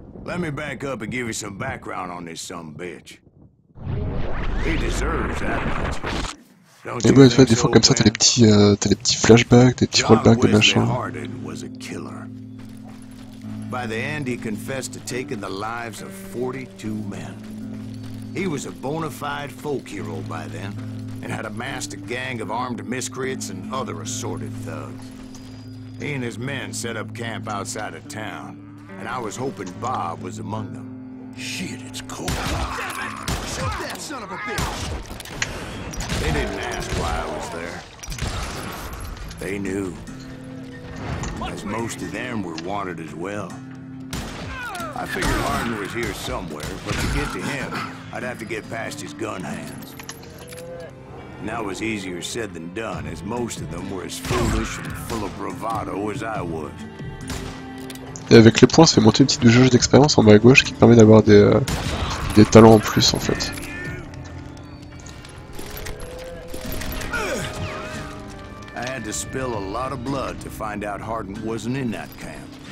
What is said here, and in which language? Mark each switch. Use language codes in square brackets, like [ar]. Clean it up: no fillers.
[en] Let me back up and give you some background on this some bitch. He deserves that much. [fr] Et ouais, tu vois, des fois comme ça, t'as les petits flashbacks, des petits rollbacks de machin. [en] Harden was a killer. By the end, he confessed to taking the lives of 42 men. He was a bona fide folk hero by then, and had amassed a gang of armed miscreants and other assorted thugs. He and his men set up camp outside of town. And I was hoping Bob was among them. Shit, it's cold. Damn it! Shoot that son of a bitch! They didn't ask why I was there. They knew. As most of them were wanted as well. I figured Harden was here somewhere, but to get to him, I'd have to get past his gun hands. And that was easier said than done, as most of them were as foolish and full of bravado as I was. [fr] Et avec les points, ça fait monter une petite jauge d'expérience en bas à gauche qui permet d'avoir des talents en plus en fait. [en] I had to spill a lot of blood to find out Harden wasn't in that camp.